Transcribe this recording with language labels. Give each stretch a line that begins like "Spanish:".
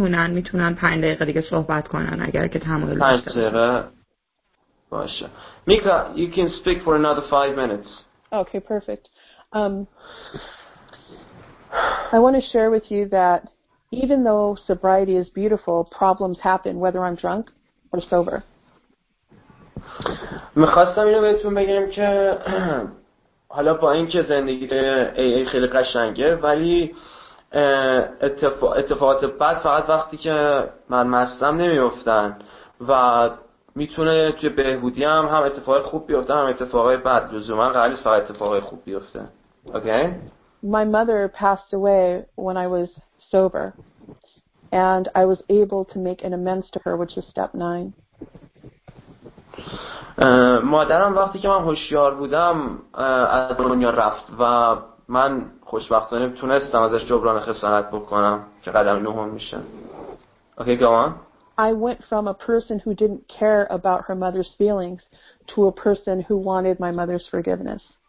Persian: میتونن 5 دقیقه دیگه صحبت کنن اگر که تمایل داشته باشه. 5 دقیقه باشه.
English: Mika you can speak for another 5 minutes. Okay, perfect. I want to share with you that even though sobriety is beautiful, problems happen whether I'm drunk or sober.
Persian: می‌خواستم اینو بهتون بگم که حالا با اینکه زندگی AA خیلی قشنگه ولی اتفاقات بد فقط وقتی که من مستم نمیفتن و میتونه توی بهبودی هم اتفاق خوب بیفته هم اتفاق بد. لزوما قرار نیست فقط اتفاق خوب بیفته.
English: Okay? My mother passed away when I was sober and I was able to make an amends to her, which is step 9.
Persian: مادرم وقتی که من هوشیار بودم از دنیا رفت و من خوشبختانه تونستم ازش جبران خسارت بکنم که قدم 9 میشه.
English: Okay go on? I went from a person who didn't care about her mother's feelings to a person who wanted my mother's forgiveness.